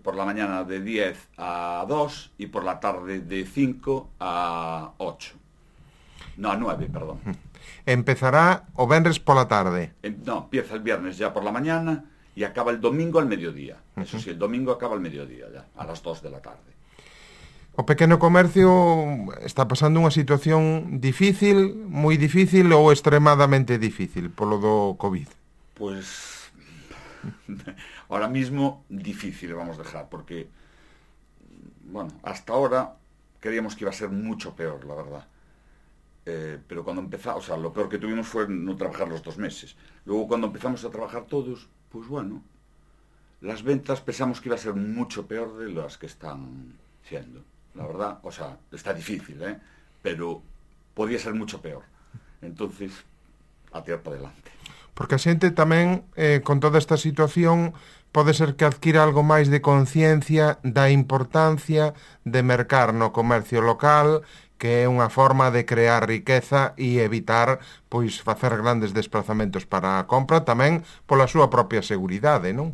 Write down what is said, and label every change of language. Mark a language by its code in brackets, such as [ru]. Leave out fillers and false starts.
[es] Por la mañana de 10 a 2 y por la tarde de 5 a 8. No, a 9, perdón. ¿Empezará o vendres por la tarde? No, empieza el viernes ya por la mañana y acaba el domingo al mediodía. Eso sí, el domingo acaba al mediodía ya, a las 2 de la tarde. [gl] O pequeno comercio está pasando unha situación difícil, moi difícil ou extremadamente difícil polo do COVID? [es] Pues, ahora mismo, difícil, vamos a dejar, porque, bueno, hasta ahora creíamos que iba a ser mucho peor, la verdad. Pero cuando empezamos, o sea, lo peor que tuvimos fue no trabajar los 2 meses. Luego, cuando empezamos a trabajar todos, pues bueno, las ventas pensamos que iba a ser mucho peor de las que están siendo. la verdad, o sea, está difícil, ¿eh? Pero podía ser mucho peor. Entonces, a tirar para adelante. [gl] Porque a xente tamén, con toda esta situación, pode ser que adquira algo máis de conciencia da importancia de mercar no comercio local, que é unha forma de crear riqueza e evitar, pois, facer grandes desplazamentos para a compra, tamén pola súa propia seguridade, non?